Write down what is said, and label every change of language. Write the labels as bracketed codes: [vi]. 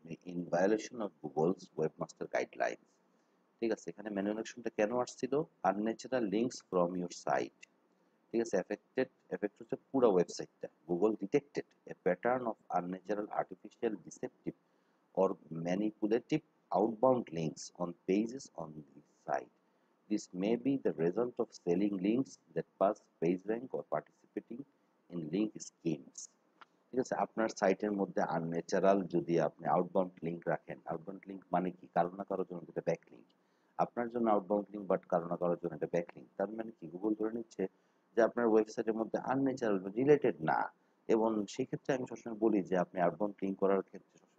[en] in violation of Google's web master guidelines, [bn] ঠিক আছে, এখানে ম্যানুয়াল অ্যাকশনটা কেন আসছিল, [en] unnatural links from your site, ঠিক আছে, [bn] এফেক্ট হচ্ছে পুরো ওয়েবসাইটটা, [en] Google detected a pattern of unnatural artificial deceptive or manipulative outbound links on pages on the site. This may be the result of selling links that pass page rank or participating in link schemes. [bn] ঠিক আছে, আপনার সাইটের মধ্যে আননেচারাল যদি আপনি outbound link রাখেন, outbound link মানে কি, কারো না কারোর জন্য একটা ব্যাক লিঙ্ক, আপনার জন্য আউটবাউন্ড লিঙ্ক বাট কারো না কারোর জন্য একটা ব্যাক লিঙ্ক, তার মানে কি, গুগল ধরে নিচ্ছে যে আপনার ওয়েবসাইটের মধ্যে আননেচারাল রিলেটেড না, এবং সেক্ষেত্রে আমি সবসময় বলি যে আপনি আউটবাউন্ড লিঙ্ক করার ক্ষেত্রে